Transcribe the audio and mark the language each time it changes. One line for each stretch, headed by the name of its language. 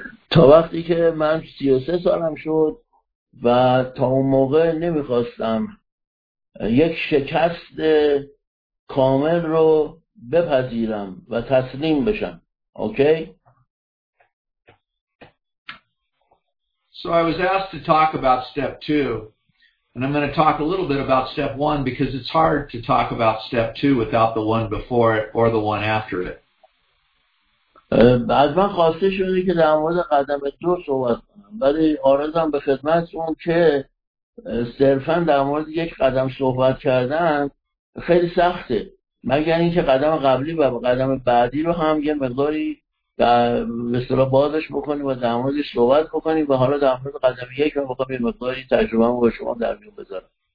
Persian: تا وقتی که من 33 سالم شد و تا اون موقع نمیخواستم یک شکست کامل رو بپذیرم و تسلیم بشم. اوکی.
English: So I was asked to talk about step two, and I'm going to talk a little bit about step one because it's hard to talk about step two without the one before it or the one after it.
Persian: از من خواسته شده که در مورد قدم دو صحبت کنم، ولی آرزم به خدمت اون که صرفا در مورد یک قدم صحبت کردن خیلی سخته، مگر اینکه قدم قبلی و قدم بعدی رو هم یه مقداری مثلا بازش بکنیم و در موردش صحبت بکنیم و حالا در مورد قدم یک رو بخوام یه مقداری تجربه با شما در میون بذارم.